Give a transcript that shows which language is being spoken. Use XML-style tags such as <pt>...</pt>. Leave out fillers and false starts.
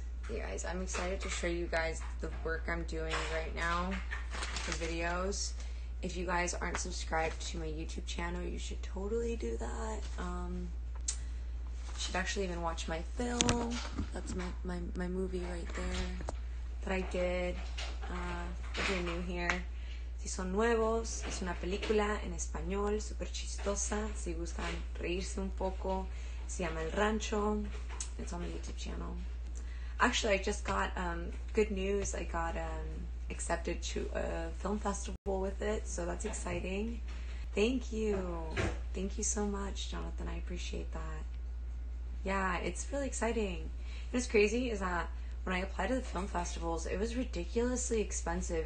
<en>Yeah, guys, I'm excited to show you guys the work I'm doing right now, the videos. If you guys aren't subscribed to my YouTube channel, you should totally do that. You should actually even watch my film. That's my movie right there that I did. If you're new here,</en> <es>si son nuevos, es una película en español, super chistosa. Si gustan reírse un poco, se llama El Rancho.</es> <en>It's on my YouTube channel. Actually, I just got good news. I got accepted to a film festival with it, so that's exciting. Thank you so much, Jonathan. I appreciate that. Yeah, it's really exciting. What's crazy is that when I applied to the film festivals, it was ridiculously expensive.</en>